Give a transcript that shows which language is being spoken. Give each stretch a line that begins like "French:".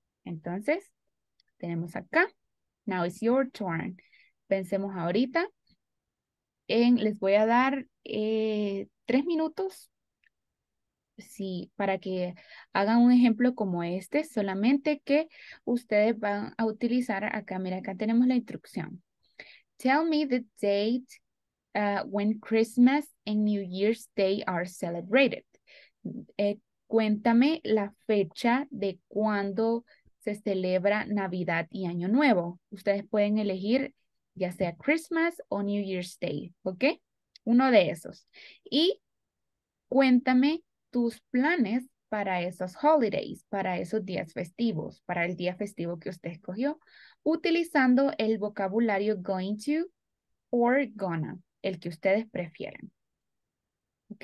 Spanish: Entonces, tenemos acá.
English: Now it's your turn.
Spanish: Pensemos ahorita. Les voy a dar 3 minutos. Sí, para que hagan un ejemplo como este, solamente que ustedes van a utilizar acá. Mira, acá tenemos la instrucción.
English: Tell me the date when Christmas and New Year's Day are celebrated.
Spanish: Cuéntame la fecha de cuando se celebra Navidad y Año Nuevo. Ustedes pueden elegir ya sea Christmas o New Year's Day, ¿ok? Uno de esos. Y cuéntame tus planes para esos holidays, para esos días festivos, para el día festivo que usted escogió, utilizando el vocabulario going to or gonna, el que ustedes prefieran. ¿Ok?